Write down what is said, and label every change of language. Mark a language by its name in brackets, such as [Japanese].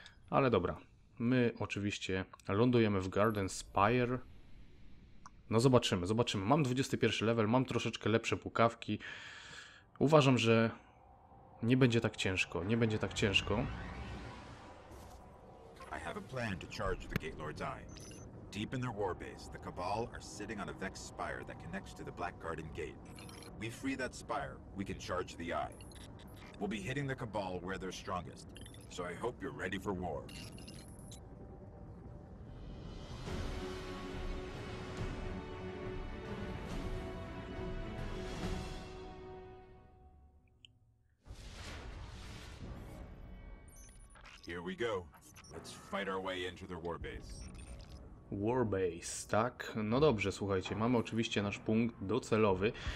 [Polish] Ale dobra, my oczywiście lądujemy w Garden Spire. No zobaczymy, zobaczymy. Mam 21 level, mam troszeczkę lepsze pukawki. Uważam, że nie będzie tak ciężko, nie będzie tak ciężko. [English] I have a plan to charge the Gate Lord's eye. Deep in their war base, the Cabal are sitting on a Vex spire that connects to the Black Garden Gate. We free that spire, we can charge the eye. We'll be hitting the Cabal where they're strongest. So I hope you're ready for war. Here we go. Let's fight our way into their war base. [Polish] Warbase, tak? No dobrze, słuchajcie, mamy oczywiście nasz punkt docelowy.